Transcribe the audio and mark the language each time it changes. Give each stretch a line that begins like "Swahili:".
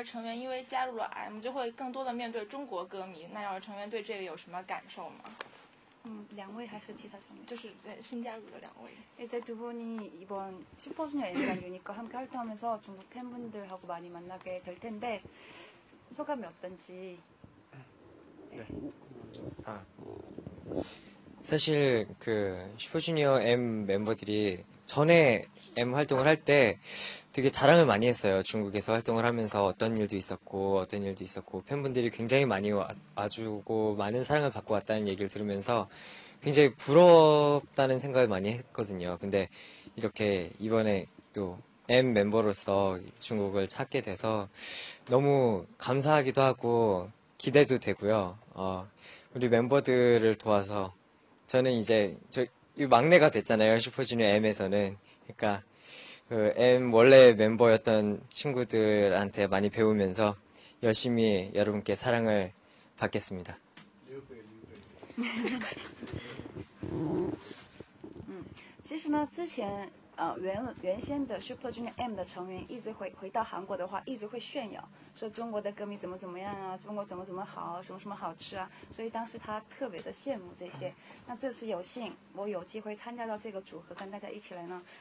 Chinese: 他盛明呢特别的仁慈、善良，然后还在这种当中呢还兼备了他的智慧。然后盛明补一句说：“我为了变成他那样的人，我会继续努力的。” 那就是两位成员因为加入了 M， 就会更多的面对中国歌迷。那两位成员对这个有什么感受吗？两位还是其他成员？就是新加入的两位。
Korean: 두 분이 이번 슈퍼주니어 M이랑 유니크 함께 활동하면서 중국 팬분들하고 많이 만나게 될 텐데 소감이 어떤지. 네. 아, 사실 그 슈퍼주니어 M 멤버들이 전에 M 활동을 할 때 되게 자랑을 많이 했어요. 중국에서 활동을 하면서 어떤 일도 있었고 어떤 일도 있었고 팬분들이 굉장히 많이 와주고 많은 사랑을 받고 왔다는 얘기를 들으면서 굉장히 부럽다는 생각을 많이 했거든요. 근데 이렇게 이번에 또 M 멤버로서 중국을 찾게 돼서 너무 감사하기도 하고 기대도 되고요. 우리 멤버들을 도와서 저는 이제 이 막내가 됐잖아요. 슈퍼주니어 M에서는. 그러니까 그 M 원래 멤버였던 친구들한테 많이 배우면서 열심히 여러분께 사랑을 받겠습니다.
Chinese: 其实呢，之前原先的 Super Junior M 的成员一直回到韩国的话，一直会炫耀说中国的歌迷怎么怎么样啊，中国怎么怎么好，什么什么好吃啊，所以当时他特别的羡慕这些。那这次有幸我有机会参加到这个组合，跟大家一起来呢，